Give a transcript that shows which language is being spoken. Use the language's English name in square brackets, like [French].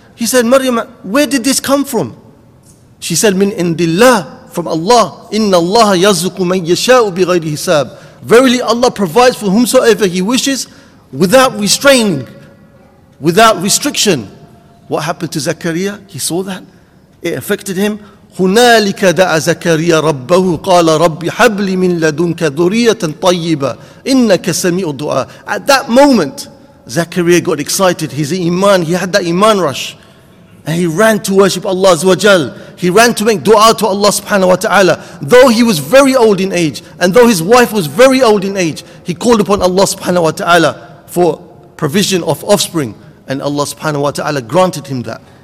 [English] He said, Maryam, where did this come from? She said, [Arabic] min indillah, [English] from Allah. [Arabic] Inna Allah yazuku man yasha'u bi ghayri hisab. [English] Verily Allah provides for whomsoever He wishes without restraining, without restriction. What happened to Zakaria? He saw that. It affected him. [Arabic] هنالك دعا زكريا ربه قال ربي حب لي من لدنك ذرية طيبة إنك سميع الدعاء. [English] At that moment, Zakaria got excited. His iman, he had that iman rush. And he ran to worship Allah Azza wa Jal. He ran to make dua to Allah subhanahu wa ta'ala. Though he was very old in age, and though his wife was very old in age, he called upon Allah subhanahu wa ta'ala for provision of offspring, and Allah subhanahu wa ta'ala granted him that.